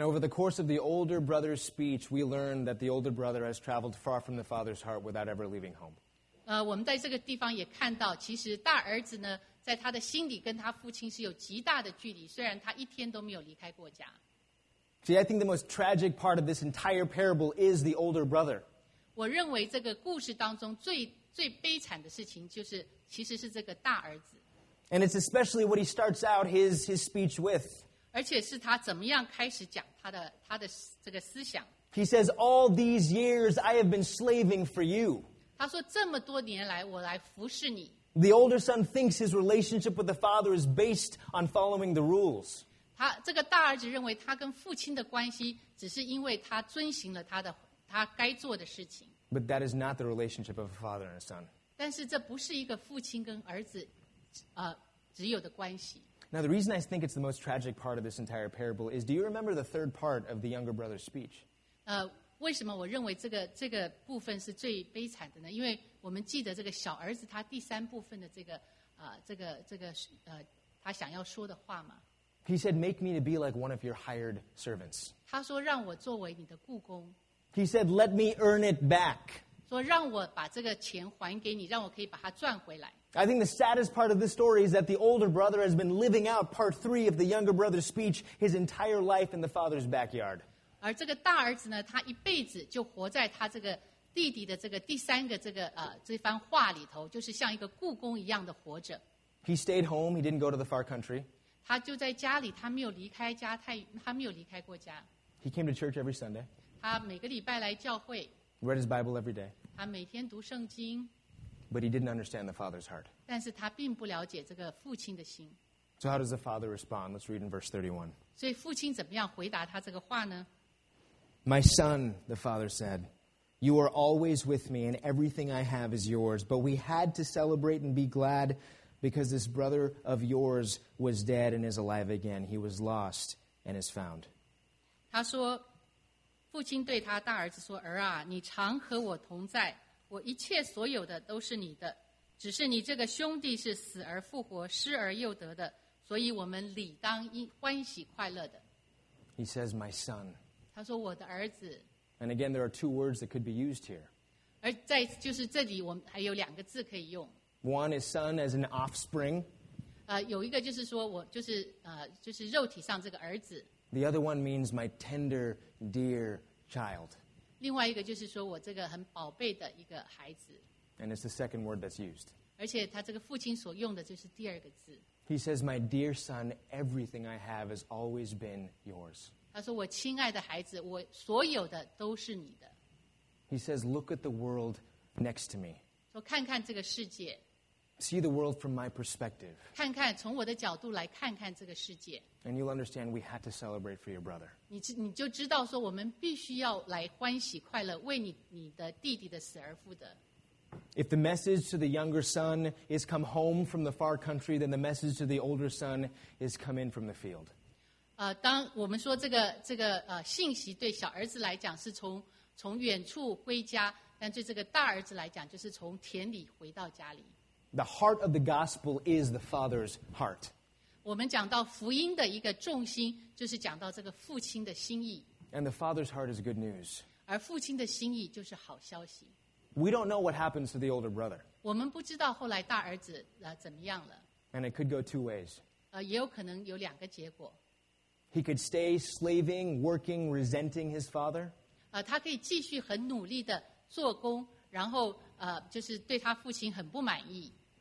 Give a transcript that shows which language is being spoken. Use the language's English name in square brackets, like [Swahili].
[English] over the course of the older brother's speech, we learn that the older brother has traveled far from the father's heart without ever leaving home. [Chinese] 我们在这个地方也看到，其实大儿子呢，在他的心里跟他父亲是有极大的距离，虽然他一天都没有离开过家。 [English] See, I think the most tragic part of this entire parable is the older brother. [Chinese] 我认为这个故事当中最悲惨的事情就是，其实是这个大儿子。 [English] And it's especially what he starts out his speech with. [Chinese] 而且是他怎么样开始讲他的这个思想。 [English] He says, "All these years, I have been slaving for you." [Chinese] 他说这么多年来我来服侍你。 [English] The older son thinks his relationship with the father is based on following the rules. [Chinese] 他这个大儿子认为他跟父亲的关系只是因为他遵循了他该做的事情。 [English] But that is not the relationship of a father and a son. [Chinese] 但是这不是一个父亲跟儿子，只有的关系。 [English] Now, the reason I think it's the most tragic part of this entire parable is, do you remember the third part of the younger brother's speech? [Chinese] 为什么我认为这个部分是最悲惨的呢？因为我们记得这个小儿子他第三部分的这个他想要说的话吗？ [English] He said, make me to be like one of your hired servants. [Chinese] 他说让我作为你的雇工。 [English] He said, let me earn it back. [Chinese] 说让我把这个钱还给你，让我可以把它赚回来。 [English] I think the saddest part of this story is that the older brother has been living out part three of the younger brother's speech his entire life in the father's backyard. [Chinese] 而这个大儿子呢，他一辈子就活在他这个弟弟的这个第三个这个这番话里头，就是像一个雇工一样的活着。 [English] He stayed home. He didn't go to the far country. [Chinese] 他就在家里，他没有离开家，他没有离开过家。 [English] He came to church every Sunday. [Chinese] 他每个礼拜来教会。 [English] Read his Bible every day. [Chinese] 他每天读圣经。 [English] But he didn't understand the father's heart. [Chinese] 但是他并不了解这个父亲的心。 [English] So how does the father respond? Let's read in verse 31. [Chinese] 所以父亲怎么样回答他这个话呢？ [English] My son, the father said, you are always with me and everything I have is yours. But we had to celebrate and be glad because this brother of yours was dead and is alive again. He was lost and is found. [Chinese] 他说，父亲对他大儿子说，儿啊，你常和我同在。我一切所有的都是你的，只是你这个兄弟是死而复活，失而又得的，所以我们理当欢喜快乐的。 [English] He says, "My son." [Chinese] 他说我的儿子。 [English] And again, there are two words that could be used here. [Chinese] 而在就是这里，我们还有两个字可以用。 [English] One is son as an offspring. [Chinese] 有一个就是说我就是肉体上这个儿子。 [English] The other one means my tender, dear child. [Chinese] 另外一个就是说我这个很宝贝的一个孩子。 [English] And it's the second word that's used. [Chinese] 而且他这个父亲所用的就是第二个字。 [English] He says, my dear son, everything I have has always been yours. [Chinese] 他说我亲爱的孩子，我所有的都是你的。 [English] He says, look at the world next to me. [Chinese] 说看看这个世界。 [English] See the world from my perspective. [Chinese] 看看从我的角度来看看这个世界。 [English] And you'll understand we had to celebrate for your brother. [Chinese] 你就知道说我们必须要来欢喜快乐，为你的弟弟的死而复得。 [English] If the message to the younger son is come home from the far country, then the message to the older son is come in from the field. [Chinese] 当我们说这个信息对小儿子来讲是从远处归家，但对这个大儿子来讲就是从田里回到家里。 [English] The heart of the gospel is the father's heart. [Chinese] 我们讲到福音的一个重心就是讲到这个父亲的心意。 [English] And the father's heart is good news. [Chinese] 而父亲的心意就是好消息。 [English] We don't know what happens to the older brother. [Chinese] 我们不知道后来大儿子怎么样了。 [English] And it could go two ways. [Chinese] 也有可能有两个结果。 [English] He could stay slaving, working, resenting his father. [Chinese] 他可以继续很努力的做工，然后就是对他父亲很不满意。